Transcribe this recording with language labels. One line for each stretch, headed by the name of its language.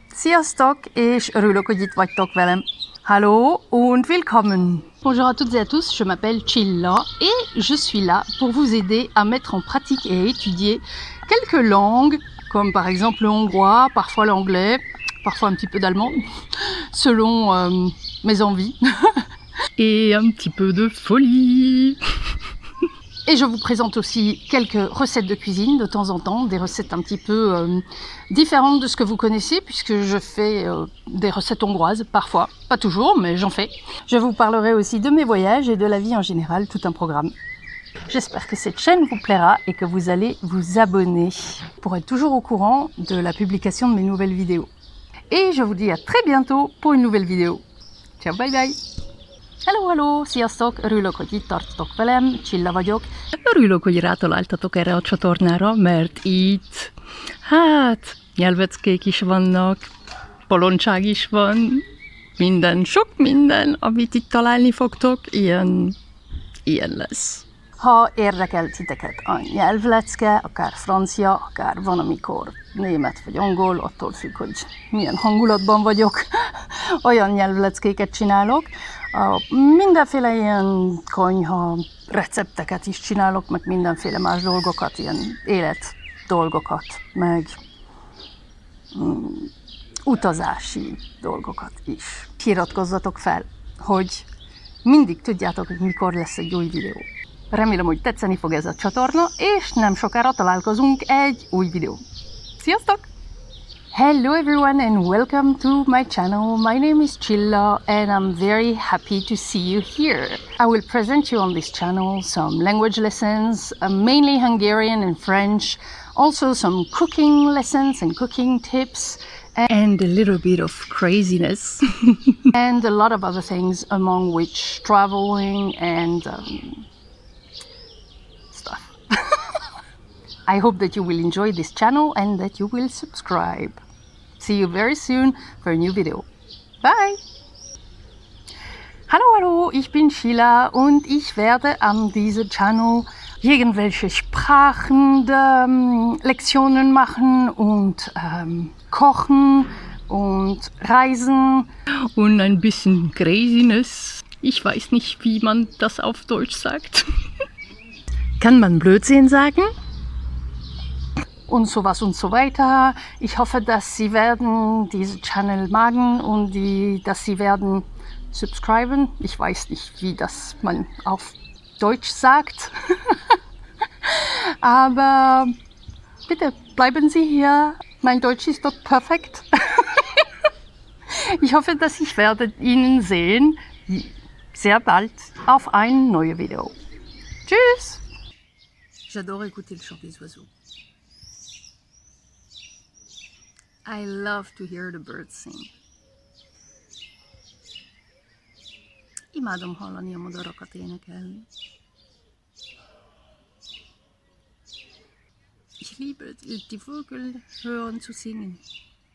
Hungarian: Sziasztok, és örülök, hogy itt vagytok velem.
German: Hello und willkommen.
French: Bonjour à toutes et à tous, je m'appelle Chilla et je suis là pour vous aider à mettre en pratique et à étudier quelques langues, comme par exemple le hongrois, parfois l'anglais, parfois un petit peu d'allemand, selon mes envies. Et un petit peu de folie. Et je vous présente aussi quelques recettes de cuisine de temps en temps, des recettes un petit peu différentes de ce que vous connaissez, puisque je fais des recettes hongroises, parfois, pas toujours, mais j'en fais. Je vous parlerai aussi de mes voyages et de la vie en général, tout un programme. J'espère que cette chaîne vous plaira et que vous allez vous abonner pour être toujours au courant de la publication de mes nouvelles vidéos. Et je vous dis à très bientôt pour une nouvelle vidéo.
English: Ciao, bye bye! Hello, hello,
Hungarian: sziasztok, örülök, hogy itt tartotok velem, Csilla vagyok. Örülök, hogy rátaláltatok erre a csatornára, mert itt, hát, nyelveckék is vannak, poloncság is van, minden, sok minden, amit itt találni fogtok, ilyen lesz. Ha érdekel titeket a nyelvlecke, akár francia, akár van, amikor német vagy angol, attól függ, hogy milyen hangulatban vagyok, olyan nyelvleckéket csinálok. Mindenféle ilyen konyha recepteket is csinálok, meg mindenféle más dolgokat, ilyen élet dolgokat, meg utazási dolgokat is. Iratkozzatok fel, hogy mindig tudjátok, hogy mikor lesz egy új videó. Remélem, hogy tetszeni fog ez a csatorna, és nem sokára találkozunk egy új videó. Sziasztok!
English: Hello everyone and welcome to my channel. My name is Chilla and I'm very happy to see you here. I will present you on this channel some language lessons, mainly Hungarian and French, also some cooking lessons and cooking tips, and a little bit of craziness and a lot of other things, among which traveling and stuff. I hope that you will enjoy this channel and that you will subscribe. See you very soon for a new video. Bye!
German: Hallo, hallo, ich bin Chilla und ich werde an diesem Channel irgendwelche Sprachen, Lektionen machen und kochen und reisen. Und ein bisschen Craziness. Ich weiß nicht, wie man das auf Deutsch sagt. Kann man Blödsinn sagen? Und sowas und so weiter. Ich hoffe, dass Sie werden diese Channel magen und dass Sie werden subscriben. Ich weiß nicht, wie das man auf Deutsch sagt. Aber bitte bleiben Sie hier. Mein Deutsch ist doch perfekt. Ich hoffe, dass ich werde Ihnen sehen sehr bald auf ein neues Video. Tschüss!
French: J'adore écouter le chant des oiseaux.
English: I love to hear the birds sing.
Hungarian: Imádom hallani a madarakat énekelni.
German: Ich liebe die Vögel hören zu singen.